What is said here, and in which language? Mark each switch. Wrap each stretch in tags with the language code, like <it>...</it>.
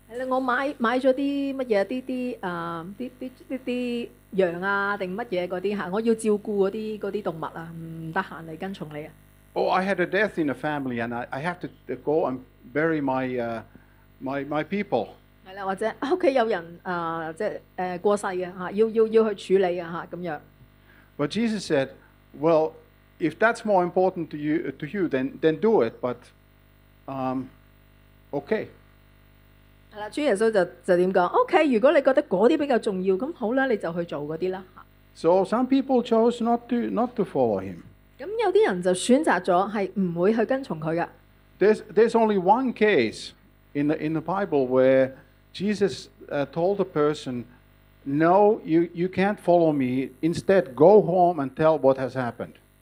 <yue>系啦，我买咗啲乜嘢啲羊啊定乜嘢嗰啲吓，我要照顾嗰啲动物啊，唔得闲嚟跟从你啊。</yue> <en>Oh, I had a death in the family, and I have to go and bury my people.</en> <yue>系啦，或者屋企有人过世嘅吓，要去处理嘅吓，咁样。</yue> <en>But Jesus said, "Well, if that's more important to you, then do it." But okay.</en> <yue>系啦，主耶稣就点讲 ？OK， 如果你觉得嗰啲比较重要，咁好啦，你就去做嗰啲啦。</yue> <en>So some people chose not to follow him.</en> <yue>咁有啲人就選擇咗係唔會去跟從佢嘅。</yue> <en>There's only one case in the Bible where Jesus told a person, "No, you can't follow me. Instead, go home and tell what has happened."</en>